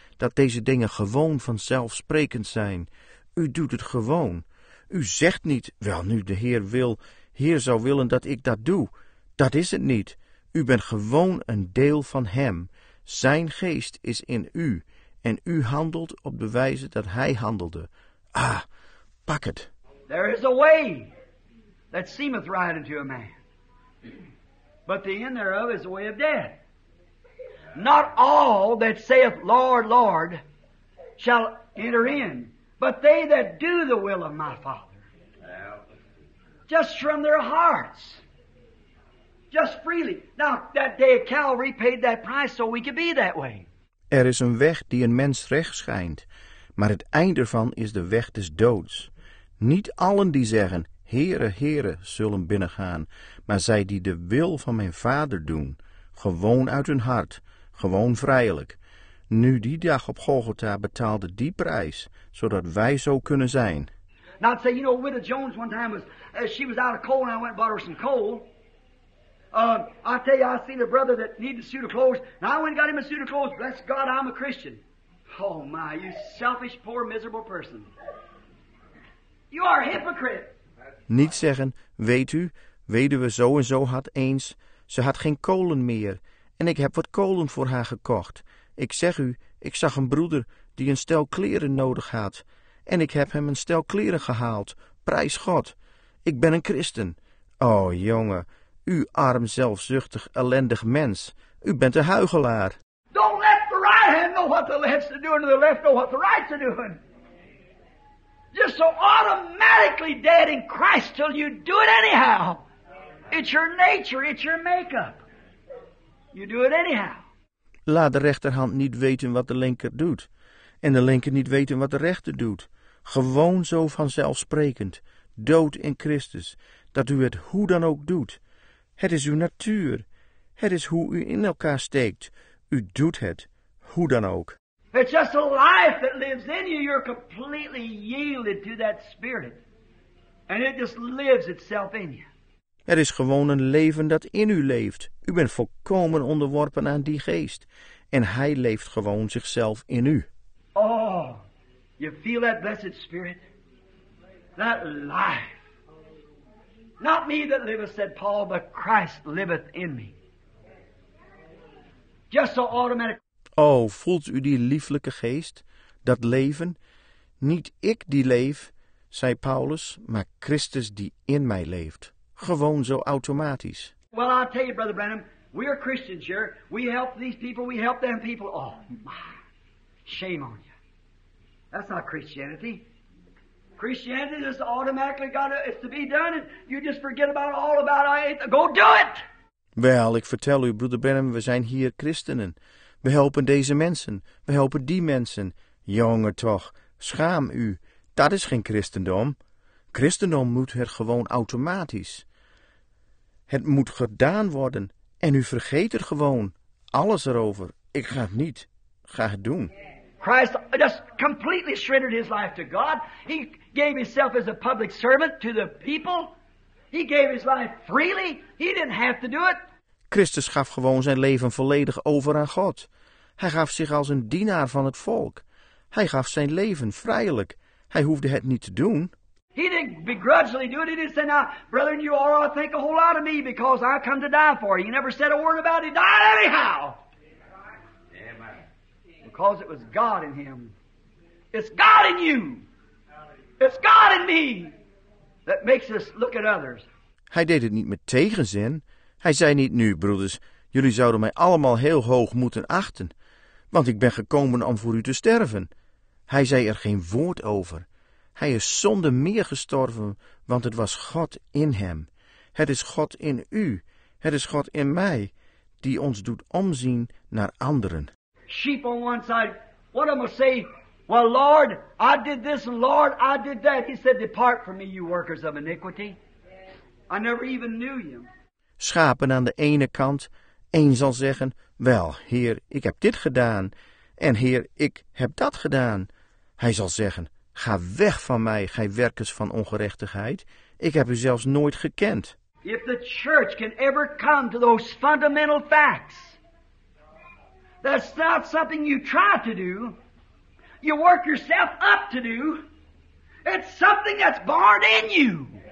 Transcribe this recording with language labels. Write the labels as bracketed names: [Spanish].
[Dutch] dat deze dingen gewoon vanzelfsprekend zijn. U doet het gewoon. U zegt niet, wel nu de Heer wil, Heer zou willen dat ik dat doe. Dat is het niet. U bent gewoon een deel van Hem. Zijn geest is in u en u handelt op de wijze dat Hij handelde. Ah, pak het. [English] There is a way that seemeth right unto a man, but the end thereof is the way of death. Not all that saith, Lord, Lord, shall enter in, but they that do the will of my Father, just from their hearts, just freely. Now, that day of Calvary paid that price so we could be that way. [Dutch] Er is een weg die een mens recht schijnt, maar het einde ervan is de weg des doods. Niet allen die zeggen, Heere, Heere, zullen binnengaan, maar zij die de wil van mijn Vader doen, gewoon uit hun hart, gewoon vrijelijk. Nu die dag op Golgotha betaalde die prijs, zodat wij zo kunnen zijn. [English] Now I'd say, you know, Widda Jones one time was, she was out of coal and I went and bought her some coal. I tell you, I seen a brother that needed a suit of clothes, and I went and got him a suit of clothes. Bless God, I'm a Christian. Oh my, you selfish, poor, miserable person. You are a hypocrite. [Dutch] Niet zeggen, weet u, weduwe zo en zo had eens, ze had geen kolen meer, en ik heb wat kolen voor haar gekocht. Ik zeg u, ik zag een broeder die een stel kleren nodig had, en ik heb hem een stel kleren gehaald, prijs God. Ik ben een christen. O, jongen, u arm, zelfzuchtig, ellendig mens, u bent een huichelaar. [English] Don't let the right hand know what the left's doing, and the left know what the right's doing. Just so automatically dead in Christ till you do it anyhow. It's your nature, it's your makeup. You do it anyhow. [Dutch] Laat de rechterhand niet weten wat de linker doet. En de linker niet weten wat de rechter doet. Gewoon zo vanzelfsprekend. Dood in Christus. Dat u het hoe dan ook doet. Het is uw natuur. Het is hoe u in elkaar steekt. U doet het. Hoe dan ook. [English] It's just a life that lives in you. You're completely yielded to that spirit. And it just lives itself in you. [Dutch] Er is gewoon een leven dat in u leeft. U bent volkomen onderworpen aan die geest. En hij leeft gewoon zichzelf in u. [English] Oh, you feel that blessed spirit? That life. Not me that liveth, said Paul, but Christ liveth in me. Just so automatic. [Dutch] O, voelt u die lieflijke geest, dat leven? Niet ik die leef, zei Paulus, maar Christus die in mij leeft. Gewoon zo automatisch. [English] Well, I'll tell you, Brother Branham, we are Christians here. We help these people, we help them people. Oh, my. Shame on you. That's not Christianity. Christianity is automatically got to, it's to be done. And you just forget about all about it. Go do it! [Dutch] Wel, ik vertel u, Brother Branham, we zijn hier christenen. We helpen deze mensen, we helpen die mensen. Jongen toch, schaam u, dat is geen christendom. Christendom moet er gewoon automatisch. Het moet gedaan worden en u vergeet er gewoon alles erover. Ik ga het niet, ga het doen. [English] Christ just completely surrendered his life to God. He gave himself as a public servant to the people. He gave his life freely. He didn't have to do it. [Dutch] Christus gaf gewoon zijn leven volledig over aan God. Hij gaf zich als een dienaar van het volk. Hij gaf zijn leven vrijelijk. Hij hoefde het niet te doen. [English] He didn't begrudgingly do it. He didn't say, now, brother, you all ought to think a whole lot of me because I come to die for you. He never said a word about it. He died anyhow. Amen. Because it was God in him. It's God in you. It's God in me that makes us look at others. [Dutch] Hij deed het niet met tegenzin. Hij zei niet nu, broeders, jullie zouden mij allemaal heel hoog moeten achten, want ik ben gekomen om voor u te sterven. Hij zei er geen woord over. Hij is zonder meer gestorven, want het was God in hem. Het is God in u, het is God in mij, die ons doet omzien naar anderen. [English] Sheep on one side, what am I say? Well, Lord, I did this, and Lord, I did that. He said, depart from me, you workers of iniquity. I never even knew you. [Dutch] Schapen aan de ene kant. Eén zal zeggen, wel, Heer, ik heb dit gedaan. En Heer, ik heb dat gedaan. Hij zal zeggen, ga weg van mij, gij werkers van ongerechtigheid. Ik heb u zelfs nooit gekend. [English] If the church can ever come to those fundamental facts, that's not something you try to do, you work yourself up to do. It's something that's born in you.